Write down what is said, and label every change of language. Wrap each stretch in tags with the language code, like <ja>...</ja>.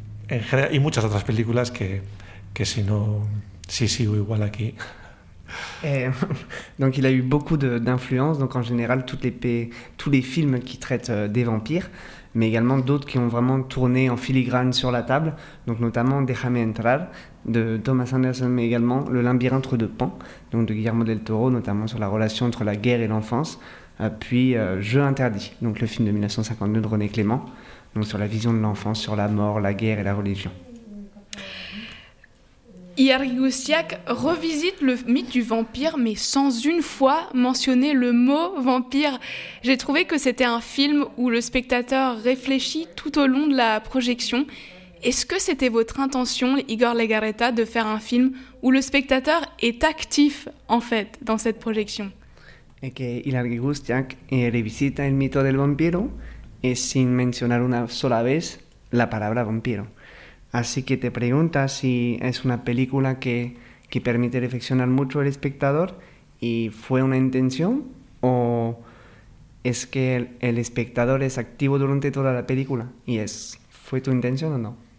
<es>En general, y muchas otras películas que si no, si sigo igual aquí.</es> <fr>Donc il a eu beaucoup d'influence, donc en général tous les films qui traitent des vampires, mais également d'autres qui ont vraiment tourné en filigrane sur la table, donc notamment Déjame entrar de Thomas Anderson, mais également Le labyrinthe de Pan, donc de Guillermo del Toro, notamment sur la relation entre la guerre et l'enfance, puis Jeu interdit, donc le film de 1952 de René Clément, donc sur la vision de l'enfance, sur la mort, la guerre et la religion. Iargi Guztiak revisite le mythe du vampire, mais sans une fois mentionner le mot vampire. J'ai trouvé que c'était un film où le spectateur réfléchit tout au long de la projection. Est-ce que c'était votre intention, Igor Legarreta, de faire un film où le spectateur est actif, en fait, dans cette projection? Et que Iargi Guztiak revisite le mythe du vampire, et sans mentionner une seule fois la parole vampire.</fr> <es>Así que te preguntas si es una película que permite reflexionar mucho al espectador y fue una intención o es que el espectador es activo durante toda la película y es, ¿fue tu intención o no?</es>